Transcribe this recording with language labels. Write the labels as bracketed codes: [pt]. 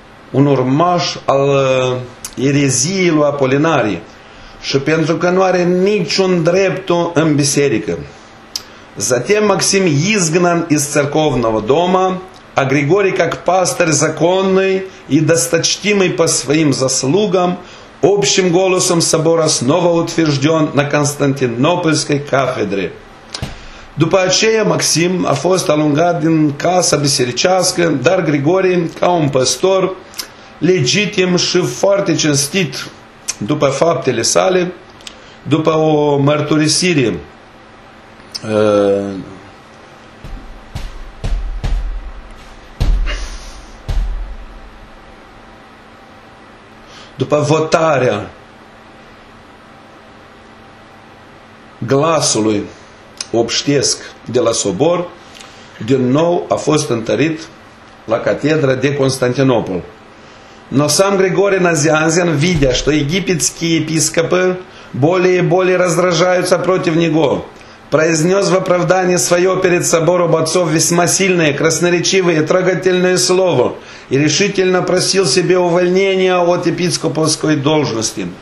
[ro] urmaș al ereziilor apolinarii și pentru că nu are niciun drept în biserică. [ru] Затем Максим изгнан из церковного дома, а Григорий, как пастырь законный и досточтимый по своим заслугам, общим голосом собора снова утвержден на Константинопольской кафедре. [ro] După aceea, Максим a fost alungat din casa bisericească, dar Григорий, ca un păstor, legitim și foarte cinstit după faptele sale, după o mărturisire, după votarea glasului obștesc de la sobor, din nou a fost întărit la catedra de Constantinopol. [ru] Но сам Григорий Назианзен, видя, что египетские епископы более и более раздражаются против него, произнес в оправдании свое перед собором отцов весьма сильное, красноречивое и трогательное слово и решительно просил себе увольнения от епископовской должности.